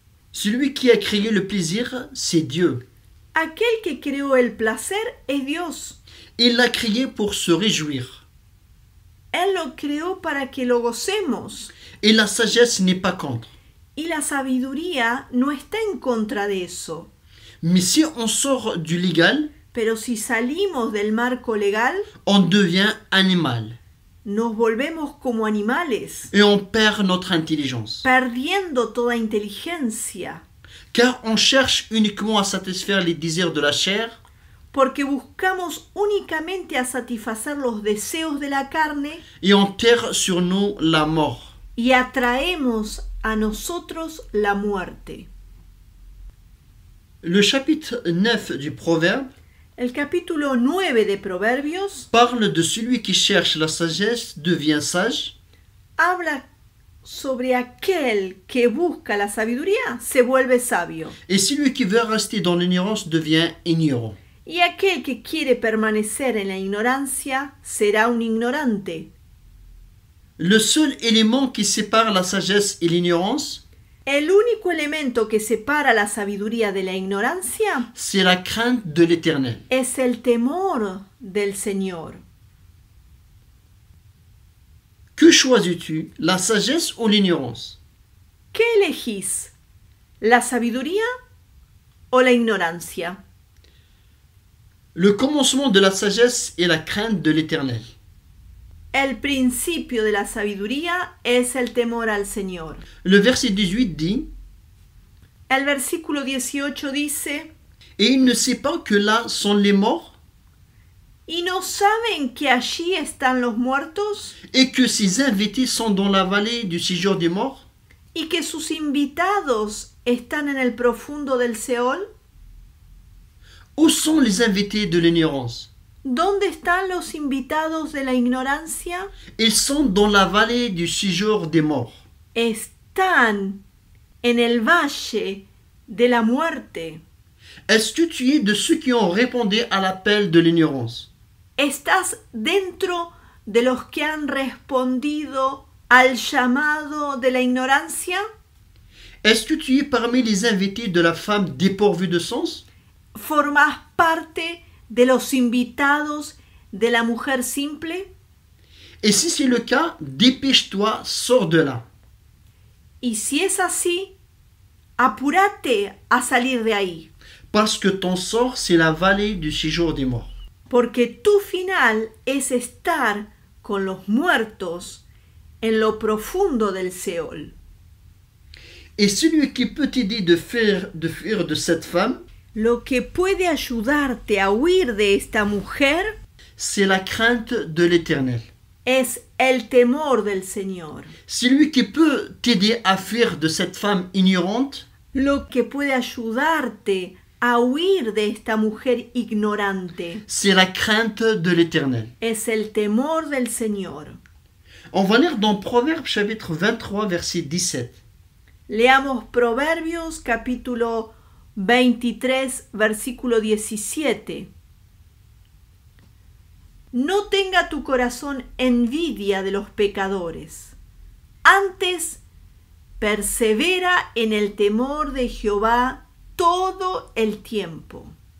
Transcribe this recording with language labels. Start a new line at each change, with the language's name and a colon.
French: Celui qui a créé le plaisir, c'est Dieu.
Spanish: Aquel que creó el placer es Dios.
French: Il l'a créé pour se réjouir.
Spanish: Él lo creó para que lo gocemos.
French: Et la sagesse n'est pas contre.
Spanish: Y la sabiduría no está en contra de eso.
French: Mais si on sort du légal,
Spanish: pero si salimos del marco legal,
French: on devient animal.
Spanish: Nos volvemos como animales.
French: Et on perd notre intelligence.
Spanish: Perdiendo toda inteligencia.
French: Car on cherche uniquement à satisfaire les désirs de la chair.
Spanish: Porque buscamos únicamente a satisfacer los deseos de la carne.
French: Et on tire sur nous la mort.
Spanish: Y atraemos a nosotros la muerte.
French: Le chapitre 9 du Proverbe.
Spanish: El capítulo 9 de Proverbios
French: parle de celui qui cherche la sagesse devient sage.
Spanish: Habla sobre aquel que busca la sabiduría se vuelve sabio.
French: Et celui qui veut rester dans l'ignorance devient ignorant.
Spanish: Y aquel que quiere permanecer en la ignorancia será un ignorante.
French: Le seul élément qui sépare la sagesse et l'ignorance,
Spanish: el único elemento que separa la sabiduría de la ignorancia,
French: c'est la crainte de l'Éternel.
Spanish: Es el temor del Señor.
French: Que choisis-tu, la sagesse ou l'ignorance?
Spanish: ¿Qué elegís, la sabiduría o la ignorancia?
French: Le commencement de la sagesse est la crainte de l'Éternel.
Spanish: El principio de la sabiduría es el temor al Señor.
French: Le verset 18 dit.
Spanish: El versículo 18 dice.
French: Et ils ne savent pas que là sont les morts.
Spanish: Y no saben que allí están los muertos.
French: Et que ses invités sont dans la vallée du séjour des morts.
Spanish: Y que sus invitados están en el profundo del Seol.
French: Où sont les invités de l'ignorance?
Spanish: ¿Dónde están los invitados de la ignorancia?
French: Ils sont dans la vallée du séjour des morts.
Spanish: Están en el valle de la muerte.
French: Est-ce que tu es de ceux qui ont répondu à l'appel de l'ignorance?
Spanish: Estás dentro de los que han respondido al llamado de la ignorancia?
French: Est-ce que tu es parmi les invités de la femme dépourvue de sens?
Spanish: ¿Formas parte de los invitados de la mujer simple?
French: Et si c'est le cas, dépêche-toi, sors de là.
Spanish: Y si es así, apúrate a salir de ahí.
French: Parce que ton sort, c'est la vallée du séjour des morts.
Spanish: Porque tu final es estar con los muertos en lo profundo del Seol.
French: Et celui qui peut t'aider de fuir de cette femme,
Spanish: lo que puede ayudarte a huir de esta mujer,
French: c'est la crainte de l'Éternel.
Spanish: Es el temor del Señor.
French: Celui qui peut t'aider à fuir de cette femme ignorante,
Spanish: lo que puede ayudarte a huir de esta mujer ignorante,
French: c'est la crainte de l'Éternel.
Spanish: Es el temor del Señor.
French: On va lire dans Proverbes chapitre 23 verset 17.
Spanish: Leamos Proverbios capítulo 23, versículo 17. No tenga tu corazón envidia de los pecadores. Antes, persevera en el temor de Jehová todo el tiempo.